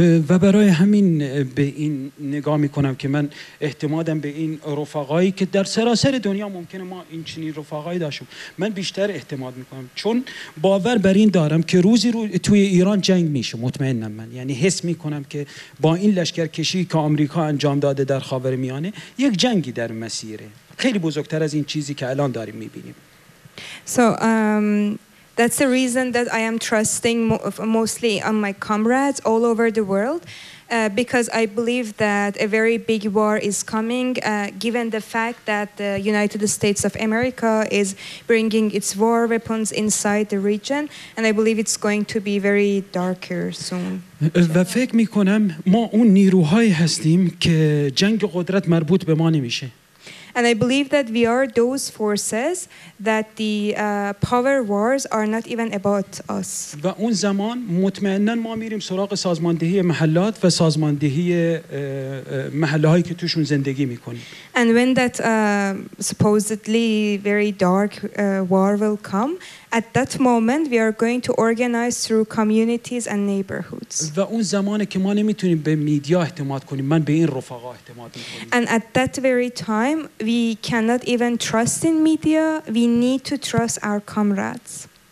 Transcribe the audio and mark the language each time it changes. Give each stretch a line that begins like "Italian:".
Persian: و برای همین به این نگاه میکنم که من احتمادم به این رفقایی که در سراسر دنیا ممکنه ما این چنین رفقایی داشتیم، من بیشتر احتماد میکنم، چون باور بر این دارم که روزی رو توی ایران جنگ میشه، مطمئنم من، یعنی حس میکنم که با این لشکرکشی که آمریکا انجام داده در خاورمیانه یک جنگی در مسیره، خیلی بزرگتر از این چیزی که الان داریم میبینیم.
English: So that's the reason that I am trusting mostly on my comrades all over the world, because I believe that a very big war is coming, given the fact that the United States of America is bringing its war weapons inside the region, and I believe it's going to be very darker soon.
Persian: و فکر میکنم ما اون نیروهایی هستیم که جنگ قدرت مربوط به ما نمیشه.
English: And I believe that we are those forces that the power wars are not even about us.
Persian: و اون زمان مطمئنن ما میریم سراغ سازماندهی محلات و سازماندهی محلهایی که توشون زندگی میکنیم.
English: And when that supposedly very dark war will come, at that moment we are going to organize through communities and neighborhoods.
Persian: و اون زمانی که ما نمیتونیم به میدیا اعتماد کنیم، من به این رفقا اعتماد میکنم.
English: And at that very time we cannot even trust in media, we need to trust our comrades.